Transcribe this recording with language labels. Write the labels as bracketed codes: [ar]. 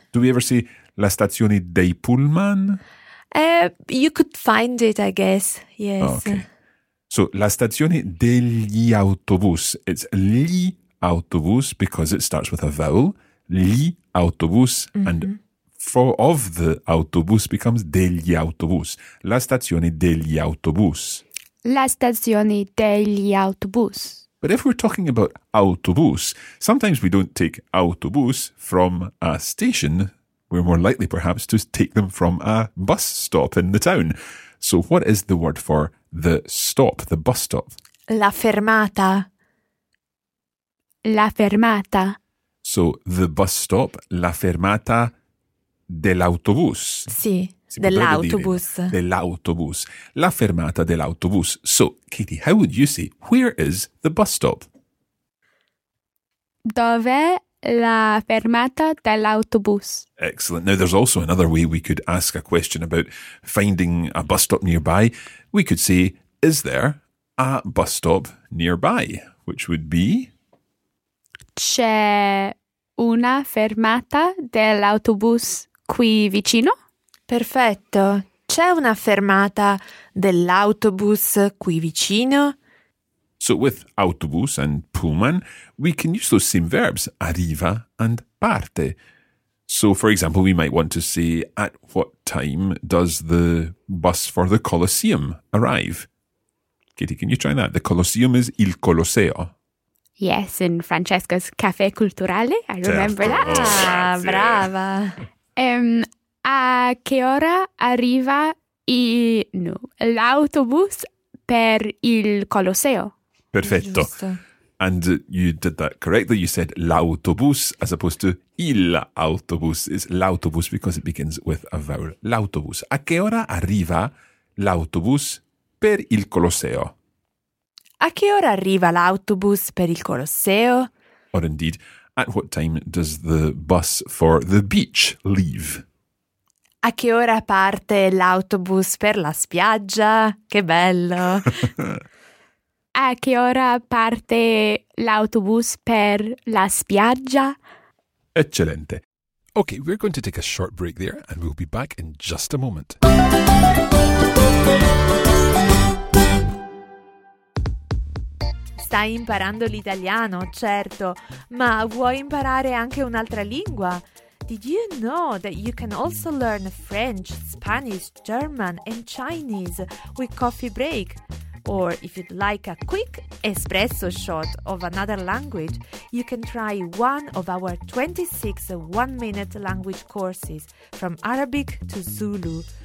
[en] Do we ever say [it] la stazione dei pullman? [en] You could find it, I guess, yes. Okay. [it] So, la stazione degli autobus. [en] It's gli autobus because it starts with a vowel. Gli autobus. Mm-hmm. And for of the autobus becomes degli autobus. [it] La stazione degli autobus. La stazione degli autobus. [en] But if we're talking about autobus, sometimes we don't take autobus from a station. We're more likely, perhaps, to take them from a bus stop in the town. So, what is the word for the stop, the bus stop? [it] La fermata. La fermata. [en] So, the bus stop, [it] la fermata dell'autobus. Sì, dell'autobus. Dell'autobus. La fermata dell'autobus. [en] So, Katie, how would you say, where is the bus stop? [it] Dov'è la fermata dell'autobus. [en] Excellent. Now, there's also another way we could ask a question about finding a bus stop nearby. We could say, is there a bus stop nearby? Which would be? [it] C'è una fermata dell'autobus qui vicino? Perfetto. C'è una fermata dell'autobus qui vicino? [en] So with autobus and pullman, we can use those same verbs, arriva and parte. So, for example, we might want to say, at what time does the bus for the Colosseum arrive? Katie, can you try that? The Colosseum is il Colosseo. Yes, in Francesco's Café Culturale. I remember [it] certo. [en] That. Oh, [it] brava. A che ora arriva l'autobus per il Colosseo? Perfetto. [en] And you did that correctly. You said l'autobus as opposed to il autobus. It's l'autobus because it begins with a vowel. [it] L'autobus. A che ora arriva l'autobus per il Colosseo? A che ora arriva l'autobus per il Colosseo? [en] Or indeed, at what time does the bus for the beach leave? [it] A che ora parte l'autobus per la spiaggia? Che bello! A che ora parte l'autobus per la spiaggia? Eccellente. [en] Okay, we're going to take a short break there and we'll be back in just a moment. [it] Stai imparando l'italiano, certo, ma vuoi imparare anche un'altra lingua? [en] Did you know that you can also learn French, Spanish, German and Chinese with Coffee Break? Or if you'd like a quick espresso shot of another language, you can try one of our 26 one-minute language courses from Arabic to Zulu.